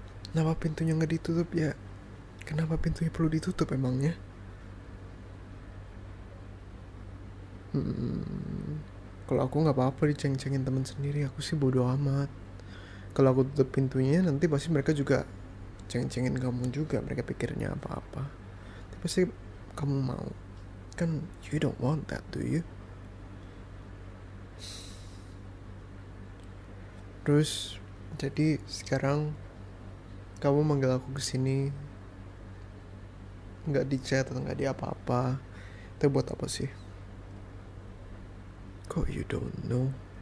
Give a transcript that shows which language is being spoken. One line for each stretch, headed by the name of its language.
Indonesian: Kenapa pintunya nggak ditutup ya? Kenapa pintunya perlu ditutup emangnya? Kalau aku nggak apa-apa diceng-cengin teman sendiri, aku sih bodo amat. Kalau aku tutup pintunya, nanti pasti mereka juga ceng-cengin kamu juga. Mereka pikirnya apa-apa. Tapi pasti kamu mau.
English: Kan you don't want that, do you?
Indonesian: Terus, jadi sekarang kamu manggil aku ke sini, nggak di chat atau nggak di apa-apa, itu buat apa sih?
English: Kok you don't know?